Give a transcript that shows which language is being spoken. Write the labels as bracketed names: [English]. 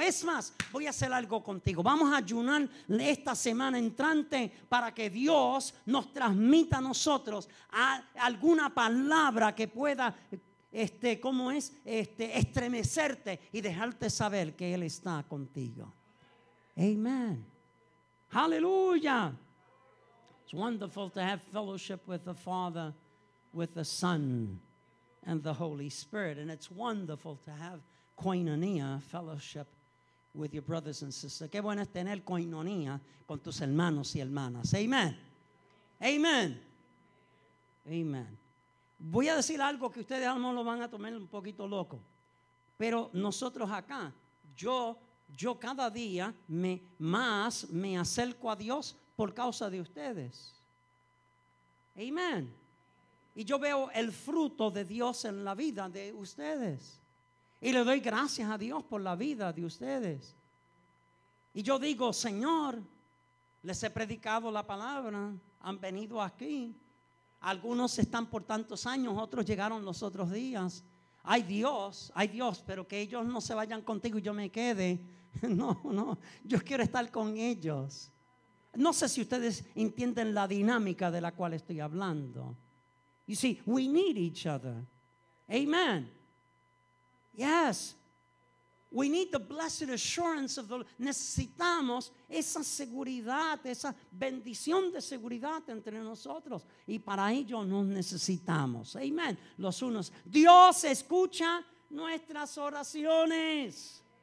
[Spanish] Es más, voy a hacer algo contigo. Vamos a ayunar esta semana entrante para que Dios nos transmita a nosotros alguna palabra que pueda, estremecerte y dejarte saber que Él está contigo. Amen. Aleluya. [English] It's wonderful to have fellowship with the Father, with the Son, and the Holy Spirit. And it's wonderful to have koinonia, fellowship with your brothers and sisters. [Spanish] Qué bueno es tener koinonia con tus hermanos y hermanas. Amen. Amen. Amen. Voy a decir algo que ustedes a lo mejor lo van a tomar un poquito loco. Pero nosotros acá, yo cada día me acerco a Dios por causa de ustedes. Amen. Y yo veo el fruto de Dios en la vida de ustedes. Y le doy gracias a Dios por la vida de ustedes. Y yo digo, Señor, les he predicado la palabra. Han venido aquí. Algunos están por tantos años, otros llegaron los otros días. Ay Dios, pero que ellos no se vayan contigo y yo me quede. No, yo quiero estar con ellos. No sé si ustedes entienden la dinámica de la cual estoy hablando. [English] You see, we need each other. Amen. Yes. We need the blessed assurance of the Lord. [Spanish] Necesitamos esa seguridad, esa bendición de seguridad entre nosotros. Y para ello nos necesitamos. Amen. Los unos. Dios escucha nuestras oraciones.